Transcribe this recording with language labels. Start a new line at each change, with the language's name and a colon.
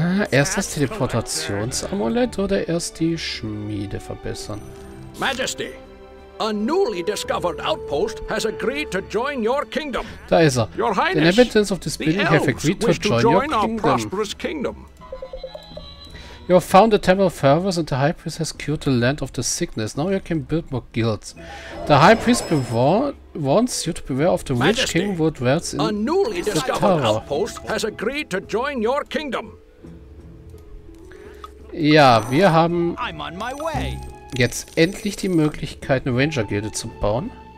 German: Erst das Teleportationsamulett oder erst die Schmiede verbessern?
English: Majesty, a newly discovered outpost has agreed to join your kingdom.
German: Da ist er.
English: Your Highness, the inhabitants of this building have agreed to join your prosperous kingdom. You have found the Temple of Fervus and the High Priest has cured the land of the sickness. Now you can build more guilds. The High Priest warns you to beware of the witch king who dwells in the tower. A newly discovered outpost has agreed to join your kingdom.
German: Ja, wir haben jetzt endlich die Möglichkeit, eine Ranger-Gilde zu bauen.